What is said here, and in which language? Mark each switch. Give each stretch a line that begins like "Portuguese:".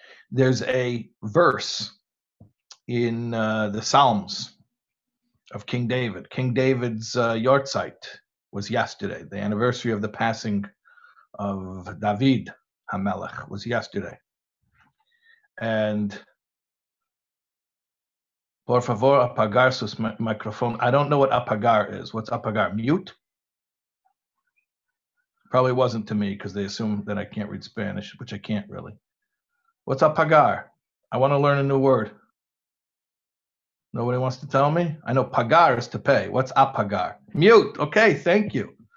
English: There's a verse in the Psalms of King David. King David's Yahrzeit was yesterday. The anniversary of the passing of David HaMelech was yesterday. And
Spanish: por favor, apagar sus microphone.
English: I don't know what apagar is. What's apagar? Mute? Probably wasn't to me because they assume that I can't read Spanish, which I can't really. What's apagar? I want to learn a new word. Nobody wants to tell me? I know pagar is to pay. What's apagar? Mute. Okay, thank you.